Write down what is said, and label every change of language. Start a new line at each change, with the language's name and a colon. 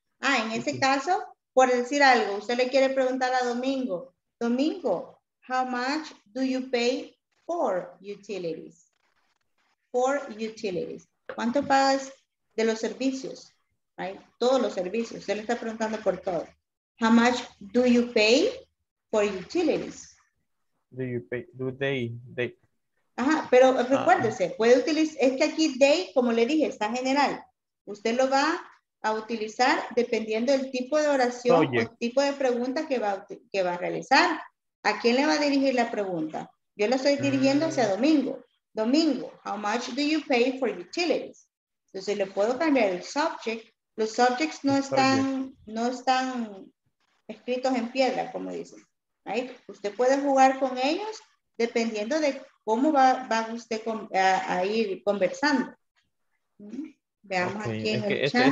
Spanish: Ah, en ese caso, por decir algo, usted le quiere preguntar a Domingo.
English: Domingo, how much do you pay for utilities? For utilities.
Spanish: ¿Cuánto pagas de los servicios? Right? Todos los servicios. Usted le está preguntando por todo.
English: How much do you pay for utilities? Do you pay? Do they?
Spanish: Ajá, pero recuérdese, puede utilizar, es que aquí they, como le dije, está general. Usted lo va a utilizar dependiendo del tipo de oración o tipo de pregunta que va a realizar. ¿A quién le va a dirigir la pregunta? Yo la estoy dirigiendo hacia Domingo.
English: Domingo, how much do you pay for utilities?
Spanish: Entonces le puedo cambiar el subject. Los subjects no están escritos en piedra, como dicen. Right? Usted puede jugar con ellos dependiendo de cómo va usted a ir conversando. Veamos aquí en el chat.